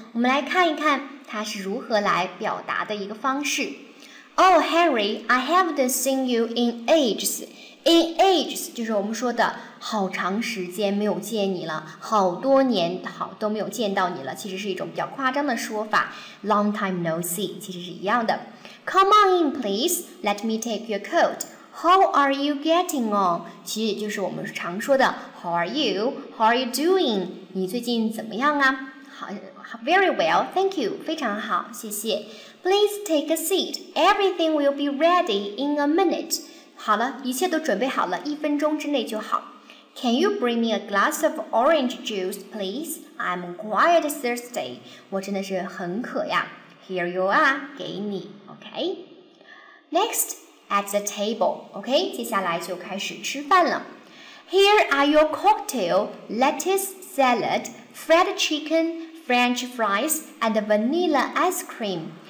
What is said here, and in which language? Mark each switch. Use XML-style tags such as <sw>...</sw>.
<zh>我们来看一看它是如何来表达的一个方式。</zh> <en>Oh, Henry, I haven't seen you in ages. In ages</en> <zh>就是我们说的好长时间没有见你了，好多年好都没有见到你了，其实是一种比较夸张的说法。</zh> <en>Long time no see</en> <zh>其实是一样的。</zh> <en>Come on in please, let me take your coat. How are you getting on?</en> <zh>其实就是我们常说的</zh> <en>How are you? How are you doing?</en> <zh>你最近怎么样啊？好 ，</zh> <en>Very well, thank you.</en> <zh>非常好，谢谢。</zh> <en>Please take a seat. Everything will be ready in a minute.</en> <zh>好了，一切都准备好了，一分钟之内就好。</zh> <en>Can you bring me a glass of orange juice, please? I'm quite thirsty.</en> <zh>我真的是很渴呀。</zh> <en>Here you are,</en> <zh>给你</zh> <en>，OK? Next, at the table, OK?</en> <zh>接下来就开始吃饭了。</zh> <en>Here are your cocktail, lettuce salad, fried chicken, French fries, and vanilla ice cream.</en>